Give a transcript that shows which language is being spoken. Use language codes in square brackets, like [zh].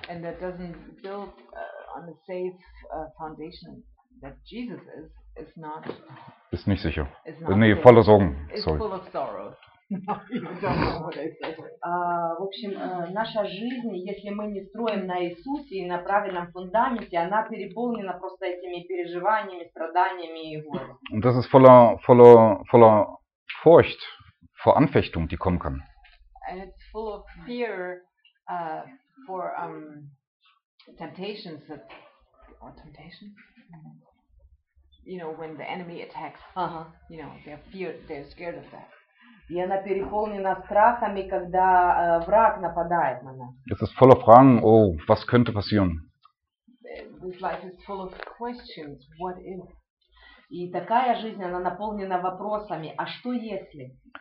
[en] And that doesn't build on a safe foundation that Jesus is, is not [de] ist nicht sicher. Nee, voller Sorgen. Sorry. [en] Full of sorrow. [ru] В общем, наша жизнь, если мы не строим на Иисусе и на правильном фундаменте, она переполнена просто этими переживаниями, страданиями и горем. [de] Das ist voller Furcht vor Anfechtung, die kommen kann. [en] And it's full of fear for temptations that or temptations. You know, when the enemy attacks. You know, they're fear, they're scared of that. [ru] И она переполнена страхами, когда враг нападает на нас. [de] Es ist voller Fragen, oh, was könnte passieren? [en] This life is full of questions, what if? [ru] И такая жизнь, она наполнена вопросами, а что если?